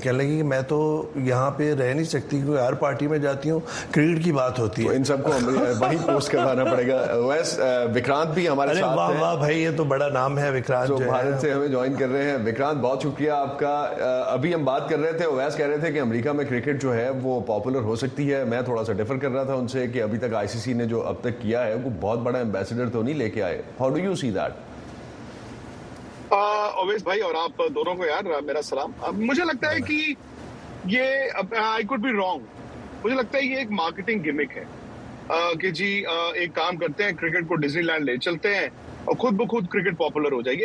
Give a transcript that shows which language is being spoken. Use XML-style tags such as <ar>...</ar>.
<ur>کہنے لگی کہ میں تو یہاں پہ رہ نہیں سکتی، کیونکہ ہر پارٹی میں جاتی ہوں کرکٹ کی بات ہوتی ہے. ان سب کو وہیں پوسٹ کروانا پڑے گا. ویس وکرانت بھی ہمارے ساتھ ہیں. واہ واہ بھائی، یہ تو بڑا نام ہے وکرانت، جو بھارت سے ہمیں جوائن کر رہے ہیں. وکرانت بہت شکریہ آپ کا. ابھی ہم بات کر رہے تھے، ویس کہہ رہے تھے کہ امریکہ میں کرکٹ جو ہے وہ پاپولر ہو سکتی ہے. میں تھوڑا سا ڈیفر کر رہا تھا ان سے کہ ابھی تک آئی سی سی نے جو اب تک کیا ہے وہ بہت بڑا امبیسڈر تو نہیں لے کے آئے.</ur> <en>How do you see that?</en> <ur>Owais بھائی اور آپ دونوں کو یار میرا سلام. مجھے لگتا ہے کہ یہ</ur> <en>I could be wrong,</en> <ur>مجھے لگتا ہے یہ ایک مارکیٹنگ گیمک ہے کہ جی ایک کام کرتے ہیں کرکٹ کو ڈزنی لینڈ لے چلتے ہیں اور خود بخود کرکٹ پاپولر ہو جائے گی.</ur>